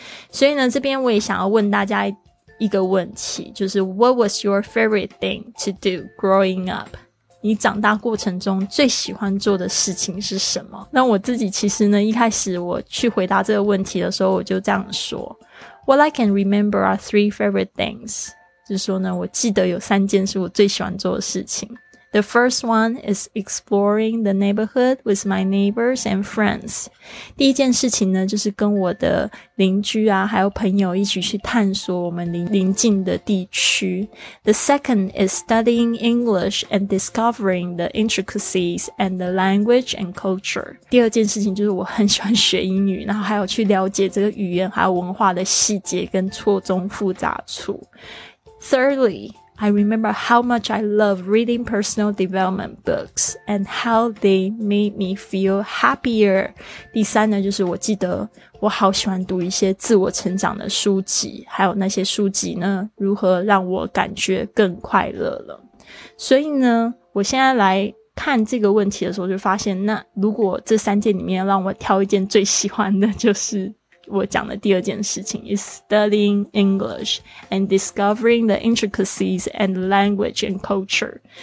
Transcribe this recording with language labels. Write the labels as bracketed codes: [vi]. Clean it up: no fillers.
[zh] 所以呢，这边我也想要问大家一个问题，就是 [en] What was your favorite thing to do growing up? [zh] 你长大过程中最喜欢做的事情是什么？那我自己其实呢，一开始我去回答这个问题的时候，我就这样说 [en] What I can remember are 3 favorite things. [zh] 就是说呢，我记得有三件是我最喜欢做的事情。 [en] The first one is exploring the neighborhood with my neighbors and friends. [zh] 第一件事情呢，就是跟我的邻居啊，还有朋友一起去探索我们邻近的地区。 [en] The second is studying English and discovering the intricacies and the language and culture. [zh] 第二件事情就是我很喜欢学英语，然后还有去了解这个语言还有文化的细节跟错综复杂处。 [en] Thirdly,I remember how much I love reading personal development books and how they made me feel happier. [zh] 第三呢，就是我记得我好喜欢读一些自我成长的书籍，还有那些书籍呢，如何让我感觉更快乐了。所以呢，我现在来看这个问题的时候就发现，那如果这三件里面让我挑一件最喜欢的，就是我讲的第二件事情 [en] is studying English and discovering the intricacies and language and culture.